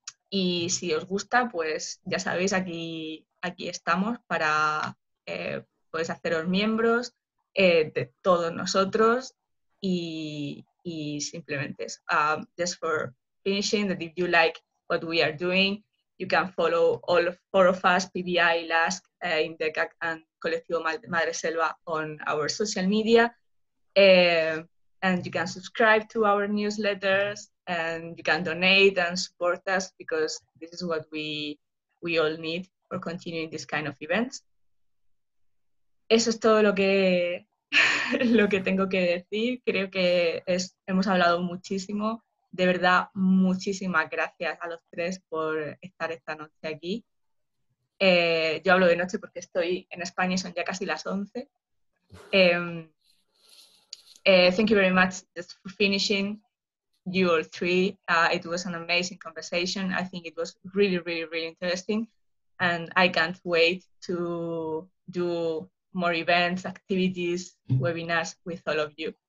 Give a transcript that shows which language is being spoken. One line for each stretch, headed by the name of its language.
Spanish: Y si os gusta, pues ya sabéis, aquí estamos para podéis haceros miembros de todos nosotros. Y simplemente eso.
English: Just for finishing, that if you like what we are doing, you can follow all four of us, PBI, LASK, IMDECAC, and Colectivo Madre Selva on our social media. And you can subscribe to our newsletters, and you can donate and support us, because this is what we all need for continuing this kind of events.
Spanish: Eso es todo lo que tengo que decir. Creo que hemos hablado muchísimo. De verdad, muchísimas gracias a los tres por estar esta noche aquí. Yo hablo de noche porque estoy en España y son ya casi las 11.
English: Thank you very much just for finishing, you all three. It was an amazing conversation. I think it was really, really, really interesting. And I can't wait to do more events, activities, webinars with all of you.